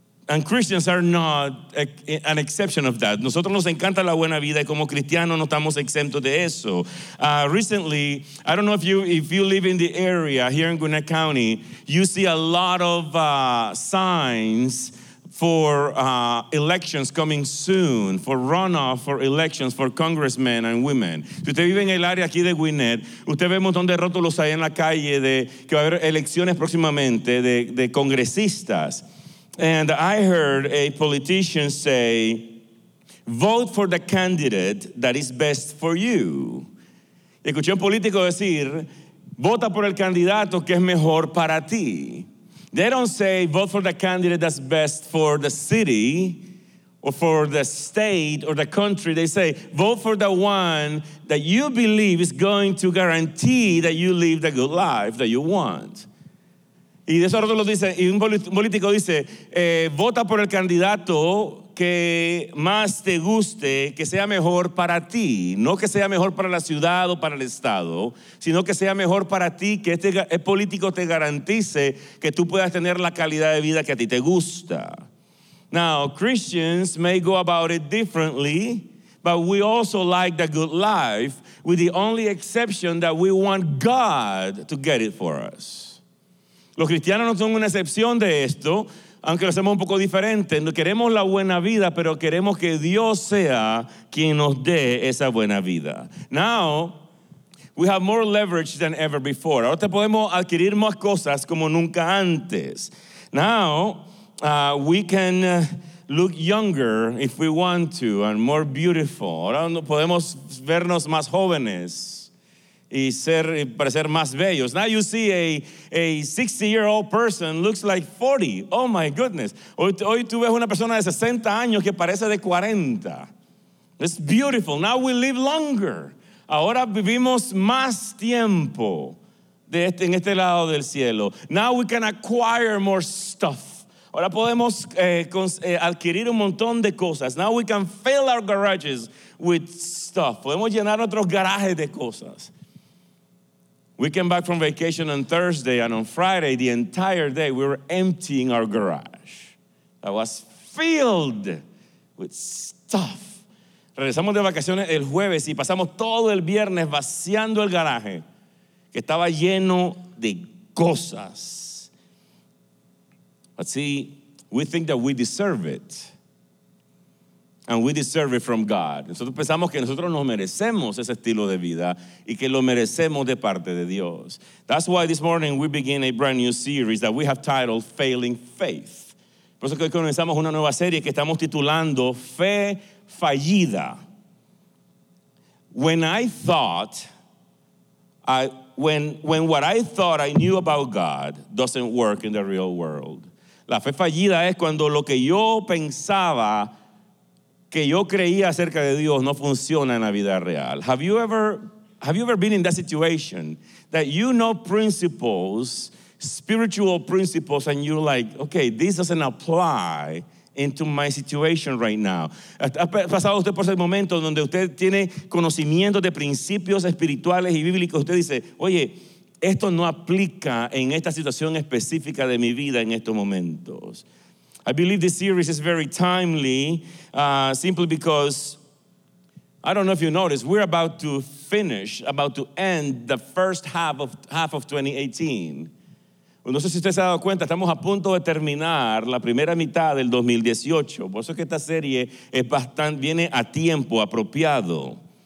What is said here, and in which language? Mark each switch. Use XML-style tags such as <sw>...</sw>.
<en>And Christians are not an exception of that.</en> <es>Nosotros nos encanta la buena vida y como cristianos no estamos exentos de eso.</es> <en>Recently, I don't know if you live in the area here in Gwinnett County, you see a lot of signs for elections coming soon, for runoff for elections for congressmen and women.</en> <es>Si usted vive en el área aquí de Gwinnett, usted ve un montón de rótulos ahí en la calle de que va a haber elecciones próximamente de congresistas.</es> <en>And I heard a politician say, vote for the candidate that is best for you.</en> <es>Escuché a un político decir, vota por el candidato que es mejor para ti.</es> <en>They don't say, vote for the candidate that's best for the city or for the state or the country. They say, vote for the one that you believe is going to guarantee that you live the good life that you want.</en> <es>Y de eso lo dice, y un político dice, vota por el candidato que más te guste, que sea mejor para ti. No que sea mejor para la ciudad o para el estado, sino que sea mejor para ti, que este político te garantice que tú puedas tener la calidad de vida que a ti te gusta.</es> <en>Now, Christians may go about it differently, but we also like the good life, with the only exception that we want God to get it for us.</en> <es>Los cristianos no son una excepción de esto, aunque lo hacemos un poco diferente. Queremos la buena vida, pero queremos que Dios sea quien nos dé esa buena vida.</es> <en>Now, we have more leverage than ever before.</en> <es>Ahora podemos adquirir más cosas como nunca antes.</es> <en>Now, we can look younger if we want to and more beautiful.</en> <es>Ahora podemos vernos más jóvenes. Y parecer más bellos.</es> <en>Now you see a 60-year-old person looks like 40. Oh my goodness.</en> <es>Hoy tú ves una persona de 60 años que parece de 40.</es> <en>It's beautiful. Now we live longer.</en> <es>Ahora vivimos más tiempo en este lado del cielo.</es> <en>Now we can acquire more stuff.</en> <es>Ahora podemos adquirir un montón de cosas.</es> <en>Now we can fill our garages with stuff.</en> <es>Podemos llenar nuestros garajes de cosas.</es> <en>We came back from vacation on Thursday, and on Friday, the entire day, we were emptying our garage. That was filled with stuff.</en> <es>Regresamos de vacaciones el jueves y pasamos todo el viernes vaciando el garaje, que estaba lleno de cosas.</es> <en>But see, we think that we deserve it. And we deserve it from God.</en> <es>Nosotros pensamos que nosotros nos merecemos ese estilo de vida y que lo merecemos de parte de Dios.</es> <en>That's why this morning we begin a brand new series that we have titled Failing Faith.</en> <es>Por eso que hoy comenzamos una nueva serie que estamos titulando Fe Fallida.</es> <en>When what I thought I knew about God doesn't work in the real world.</en> <es>La fe fallida es cuando lo que yo pensaba que yo creía acerca de Dios no funciona en la vida real.</es> <en>Have you ever been in that situation that you know principles, spiritual principles, and you're like, okay, this doesn't apply into my situation right now?</en> <es>¿Ha pasado usted por ese momento donde usted tiene conocimiento de principios espirituales y bíblicos? Usted dice, oye, esto no aplica en esta situación específica de mi vida en estos momentos.</es> <en>I believe this series is very timely simply because I don't know if you noticed, we're about to finish, about to end the first half of 2018.</en> <es>No sé si usted se ha dado cuenta, estamos a punto de terminar la primera mitad del 2018. Por eso es que esta serie es bastante, viene a tiempo, apropiado.</es>